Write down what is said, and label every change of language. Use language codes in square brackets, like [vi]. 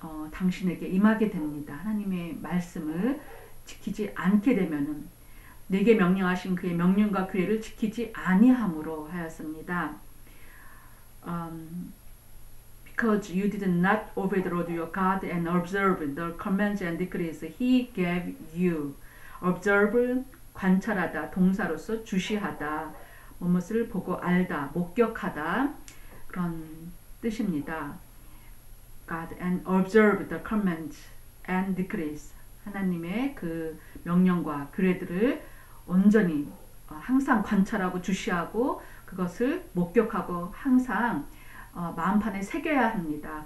[ko] 당신에게 임하게 됩니다. 하나님의 말씀을 지키지 않게 되면은 내게 명령하신 그의 명령과 규례를 지키지 아니함으로 하였습니다. [en] Because you did not obey the Lord your God and observe the commands and decrees He gave you. [ko] Observe, 관찰하다, 동사로서 주시하다, 무엇을 보고 알다, 목격하다, 그런 뜻입니다. [en] God and observe the commands and decrees. [ko] 하나님의 그 명령과 규례들을 온전히 항상 관찰하고 주시하고 그것을 목격하고 항상 마음판에 새겨야 합니다.